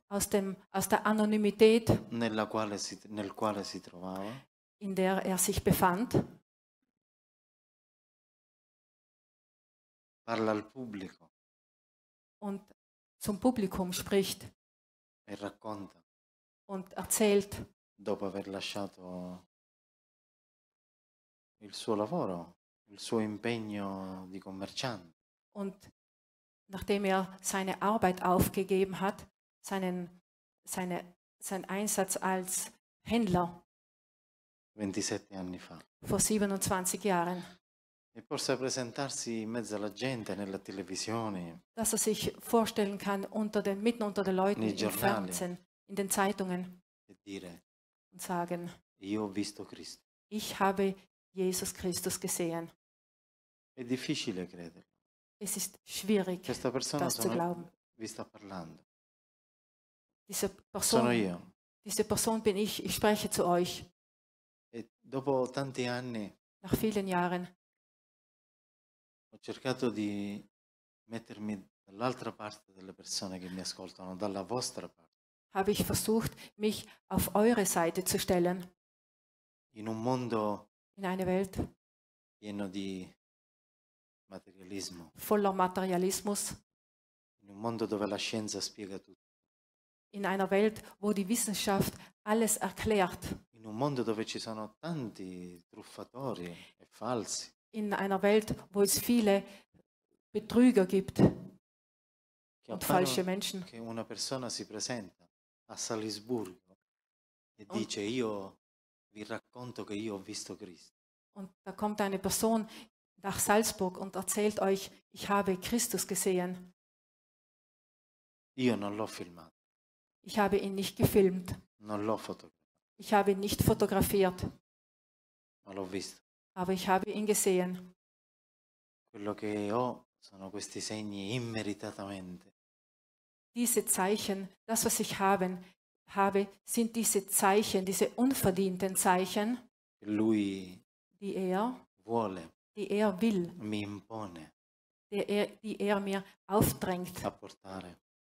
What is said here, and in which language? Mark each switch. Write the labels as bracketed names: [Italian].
[German] Aus der Anonymität. [Italian] Nel quale si trovava. [German] In der sich befand. [Italian] Parla al pubblico. [German] Und zum Publikum spricht. [Italian] E racconta. [German] Und erzählt. [Italian] Dopo aver lasciato il suo lavoro, il suo impegno di commerciante. [German] Und nachdem er seine Arbeit aufgegeben hat, seinen Einsatz als Händler. [Italian] 27 anni fa. [German] Vor 27 Jahren. [Italian] E possa presentarsi in mezzo alla gente, nella televisione. [German] Dass er sich vorstellen kann unter den, mitten unter den Leuten, im Fernsehen, in den Zeitungen. [Italian] E dire, [German] und sagen, [Italian] io ho visto Cristo. [German] Ich habe Jesus Christus gesehen. [Italian] È difficile crederlo. [German] Es ist schwierig, [Italian] questa persona [German] das zu glauben. [Italian] Vi sta parlando. [German] Diese Person, [Italian] sono io. [German] Diese Person bin ich, ich spreche zu euch. [Italian] E dopo tanti anni, [German] nach vielen Jahren, [Italian] ho cercato di mettermi dall'altra parte delle persone che mi ascoltano, dalla vostra parte. [German] Habe ich versucht, mich auf eure Seite zu stellen. [Italian] In un mondo, [German] in eine Welt, [Italian] pieno di materialismo. [German] Voller Materialismus. [Italian] In un mondo dove la scienza spiega tutto. [German] In einer Welt, wo die Wissenschaft alles erklärt. [Italian] In un mondo dove ci sono tanti truffatori e falsi. [German] In einer Welt, wo es viele Betrüger gibt und falsche Menschen. [Italian] Che una persona si presenta a Salisburgo e dice io vi racconto che io ho visto Cristo. [German] Und da kommt eine Person nach Salzburg und erzählt euch, ich habe Christus gesehen. [Italian] Io non l'ho filmato. [German] Ich habe ihn nicht gefilmt. [Italian] Non l'ho fotografiert. [German] Ich habe ihn nicht fotografiert. [Italian] Ma l'ho visto. [German] Aber ich habe ihn gesehen. [Italian] Quello che ho sono questi segni immeritatamente. [German] Diese Zeichen, das was ich habe, sind diese Zeichen, diese unverdienten Zeichen, [Italian] lui [German] die er [Italian] vuole, [German] die er will, [Italian] mi impone, [German] die er mir aufdrängt, [Italian] a portare,